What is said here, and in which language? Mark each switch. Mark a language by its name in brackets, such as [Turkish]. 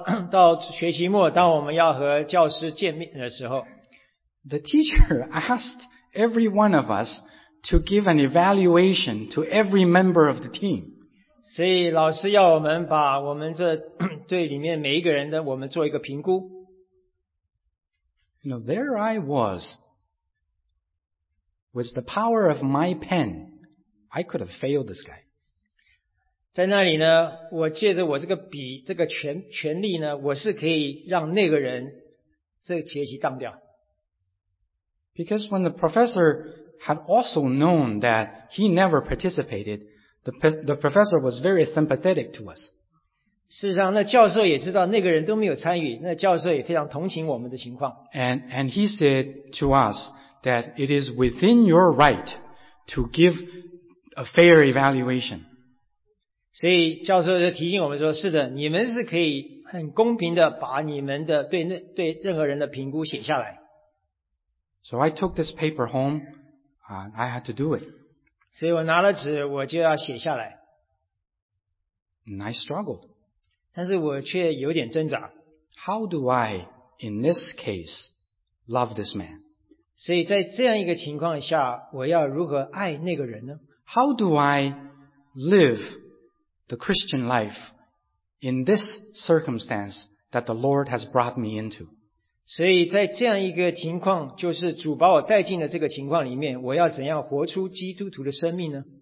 [Chinese] 到学期末，当我们要和教师见面的时候， [English] The teacher asked every one of us to give an evaluation to every member of the team. [Chinese] 所以老师要我们把我们这队里面每一个人的我们做一个评估。 [English] You know, there I was. With the power of my pen, I could have failed this guy. [Chinese] 在那里呢，我借着我这个笔，这个权力呢，我是可以让那个人这个学习当掉。 [English] Because when the professor had also known that he never participated, the professor was very sympathetic to us. [Chinese] 事实上，那教授也知道那个人都没有参与，那教授也非常同情我们的情况。 [English] And he said to us that it is within your right to give a fair evaluation. [Chinese] 所以教授就提醒我们说，是的，你们是可以很公平的把你们的对任何人的评估写下来。 [English] So I took this paper home, I had to do it. [Chinese] 所以我拿了纸，我就要写下来。 [English] And I struggled. [Chinese] 但是我却有点挣扎。 [English] How do I, in this case, love this man? [Chinese] 所以在这样一个情况下，我要如何爱那个人呢？ [English] How do I live the Christian life in this circumstance that the Lord has brought me into. [Chinese] 所以在这样一个情况，就是主把我带进了这个情况里面，我要怎样活出基督徒的生命呢？